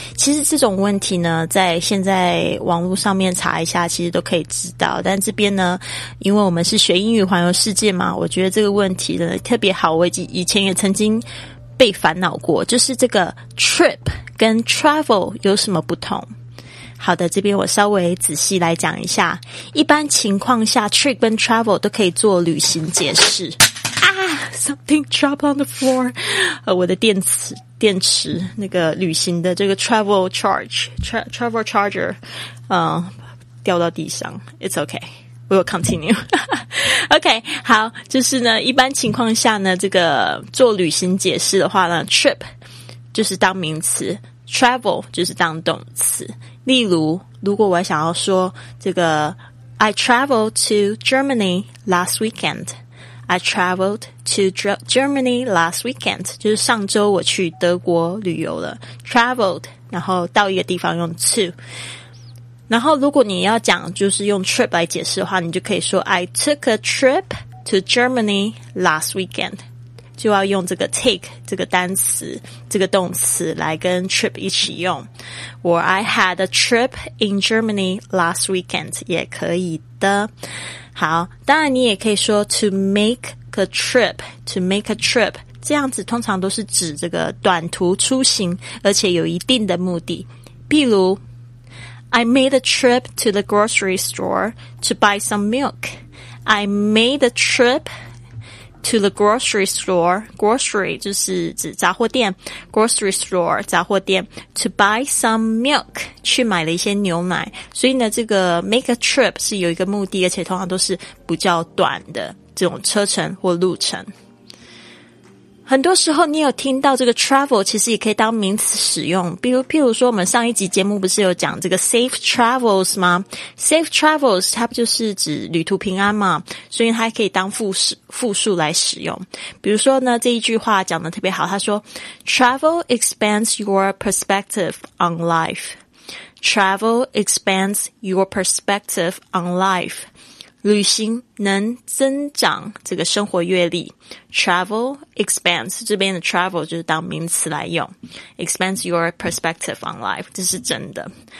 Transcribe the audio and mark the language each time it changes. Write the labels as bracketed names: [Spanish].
[Chinese] 其实这种问题呢，在现在网络上面查一下其实都可以知道，但这边呢，因为我们是学英语环游世界嘛，我觉得这个问题呢特别好。我以前也曾经被烦恼过，就是这个 trip 跟 travel 有什么不同。好的，这边我稍微仔细来讲一下。一般情况下 trip 跟 travel 都可以做旅行解释。 [English] Something dropped on the floor. [Chinese] 我的电池那个旅行的这个 [English] travel charge, travel charger, [Chinese] 掉到地上。 [English] It's okay. We will continue. Okay. [Chinese] 好，就是呢，一般情况下呢，这个做旅行解释的话呢， trip 就是当名词， travel 就是当动词。例如，如果我想要说这个 [English] I traveled to Germany last weekend. I traveled to Germany last weekend. [Chinese] 就是上周我去德国旅游了。Traveled, 然后到一个地方用 to. 然后如果你要讲就是用 trip 来解释的话，你就可以说 [English] I took a trip to Germany last weekend. [Chinese] 就要用这个 take 这个单词，这个动词来跟 trip 一起用。 [English] Or I had a trip in Germany last weekend [Chinese] 也可以的。好，当然你也可以说 [English] to make a trip, [Chinese] to make a trip, 这样子通常都是指这个短途出行，而且有一定的目的。譬如 [English] I made a trip to the grocery store to buy some milk. I made a trip to the grocery store. [Chinese] Grocery 就是指杂货店。 Grocery store 杂货店 [English] to buy some milk [Chinese] 去买了一些牛奶。所以呢，这个 make a trip 是有一个目的，而且通常都是比较短的这种车程或路程。很多时候你有听到这个 travel 其实也可以当名词使用，譬如说我们上一集节目不是有讲这个 safe travels 吗？ safe travels 它不就是指旅途平安吗？所以它可以当复数来使用。比如说呢，这一句话讲得特别好，他说 [English] travel expands your perspective on life， [Chinese] travel expands your perspective on life，旅行能增长这个生活阅历。 Travel expands， 这边的 travel 就是当名词来用， [English] expands your perspective on life， [Chinese] 这是真的。